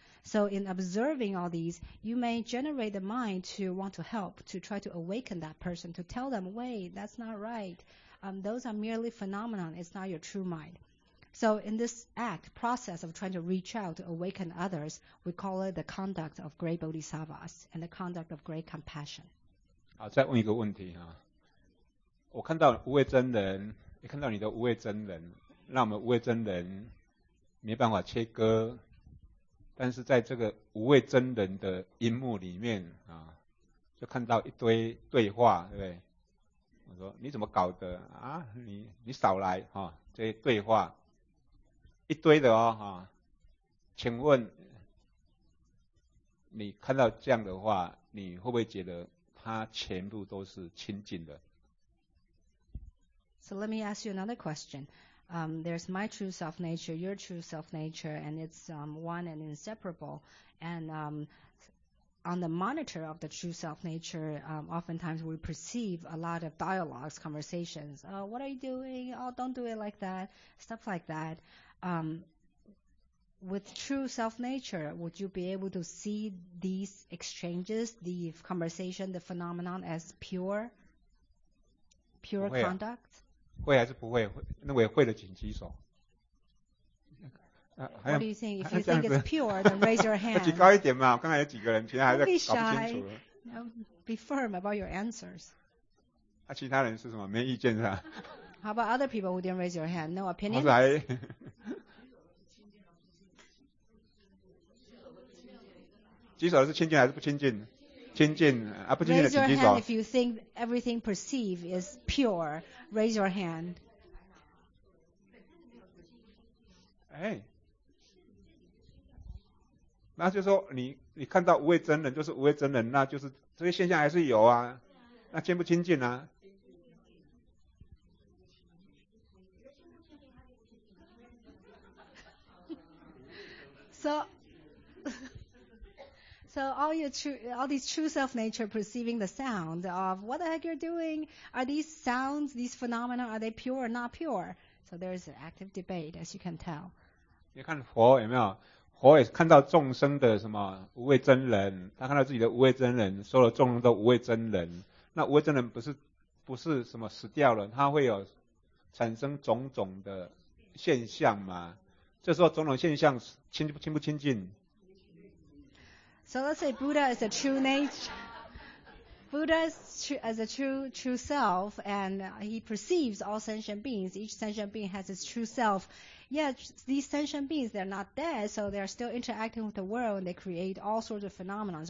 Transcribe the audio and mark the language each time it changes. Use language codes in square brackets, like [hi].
[en] So in observing all these, you may generate the mind to want to help, to try to awaken that person, to tell them, wait, that's not right. Those are merely phenomena, it's not your true mind. So in this act, process of trying to reach out to awaken others, we call it the conduct of great bodhisattvas and the conduct of great compassion. [zh] 好，再问一个问题啊，我看到无畏真人，也看到你的无畏真人，那我们无畏真人没办法切割，但是在这个无畏真人的荧幕里面啊，就看到一堆对话，对不对？我说你怎么搞的啊？你少来啊！这些对话一堆的哦啊！请问你看到这样的话，你会不会觉得它全部都是清净的？ [en] So let me ask you another question. There's my true self nature, your true self nature, and it's one and inseparable. And on the monitor of the true self nature, oftentimes we perceive a lot of dialogues, conversations. Oh, what are you doing? Oh, don't do it like that. Stuff like that. With true self nature, would you be able to see these exchanges, the conversation, the phenomenon as pure okay. conduct? [zh] 会还是不会？那我也会的，请举手。 [en] What do you think? If you think it's pure, then raise your hand. [zh] 举高一点嘛！我刚才有几个人，其他还在搞不清楚。 [en] Don't be shy. Be firm about your answers. [zh] 啊，其他人是什么？没意见是吧 [en] ？How about other people who didn't raise your hand? No opinion. [zh] 我是还。举手是清净还是不清净？清净啊，不清净的请举手。 [en] Raise your hand if you think everything perceived is pure. Raise your hand. [zh] 哎，那就是说你看到无畏真人就是无畏真人，那就是这些现象还是有啊，那清不清净啊？ [en] So. So all these true self nature perceiving the sound of what the heck you're doing? Are these sounds, these phenomena, are they pure or not pure? So there is an active debate, as you can tell. [zh] 你看佛有没有？佛也看到众生的什么无畏真人，他看到自己的无畏真人，说了众生都无畏真人。那无畏真人不是什么死掉了，他会有产生种种的现象嘛？这时候种种现象清不清净？ [en] So let's say Buddha is a true nature. Buddha is as a true self, and he perceives all sentient beings. Each sentient being has its true self. Yet these sentient beings, they're not dead, so they're still interacting with the world, and they create all sorts of phenomena.